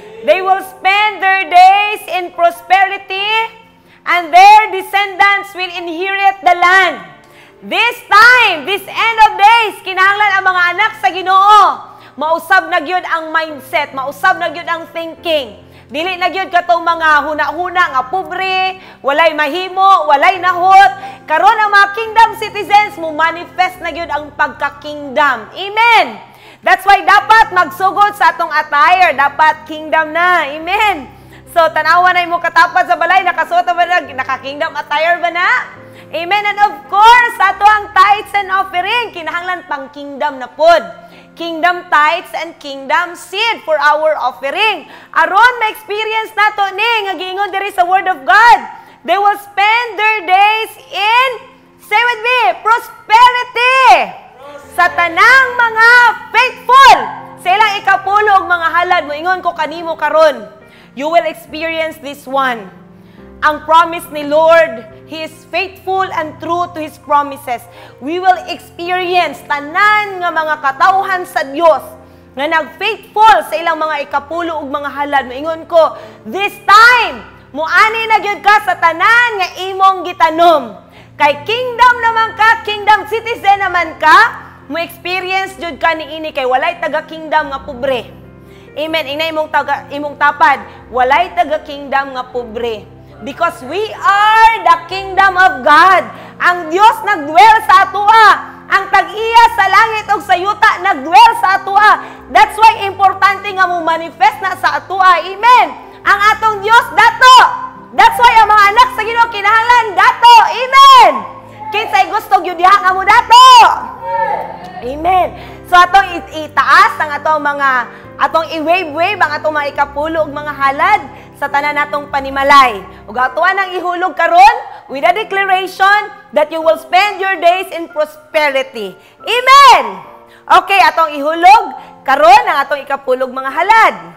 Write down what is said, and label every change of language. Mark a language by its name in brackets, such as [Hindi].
[English] They will spend their days in prosperity, and their descendants will inherit the land. this time, this end of days, [Cebuano] kinahanglan ang mga anak sa Ginoo. Mausab na gyud ang mindset, mausab na gyud ang thinking. Dili na gyud katong mga huna-huna nga pobre, walay mahimo, walay nahot. Karon ang mga kingdom citizens, mo manifest na gyud ang pagka-kingdom. Amen. That's why dapat magsugod sa atong attire, dapat kingdom na. Amen. So tanawa na imo katapat sa balay, nakasuot ba na, naka-kingdom attire ba na? Amen. [English] And of course, [Cebuano] ato ang tithes and offering, kinahanglan pang kingdom na pod. [English] Kingdom tithes and kingdom seed for our offering. [Cebuano] Aron ma-experience nato ni nga giingon diri sa Word of God. [English] They will spend their days in, say with me, prosperity. [Cebuano] Sa tanang mga faithful, sa ilang ikapulo ang mga halad, moingon ko kanimo karon, [English] you will experience this one. [Cebuano] Ang promise ni Lord, [English] He is faithful and true to His promises. We will experience [Cebuano] tanan nga mga katauhan sa Dios nga nag-faithful sa ilang mga ikapulo ug mga halad. Moingon ko, [English] this time, [Cebuano] muani na gyud ka sa tanan nga imong gitanom. Kay kingdom naman ka, kingdom citizen naman ka, mo experience jud ka niini kay walay taga kingdom nga pobre. Amen. Ingnay imong taga imong tapad, walay taga kingdom nga pobre. [English] Because we are the kingdom of God. [Cebuano] Ang Dios nagdwell sa atoa. Ang tag-iya sa langit ug sa yuta nagdwell sa atoa. That's why importante nga mo manifest na sa atoa. Amen. Ang atong Dios dato. That's why ang mga anak sa Ginoo kinahanglan dato. Amen. Kinsay gusto gyud diha nga mo dato? Amen. So atong itaas ang atong mga atong i-wave-wave ang atong mga ikapulo ug mga halad sa tanan natong panimalay. Ug atoa nang ihulog karon [English] with a declaration that you will spend your days in prosperity. Amen. [Cebuano] Okay, atong ihulog karon ang atong ikapulo ug mga halad.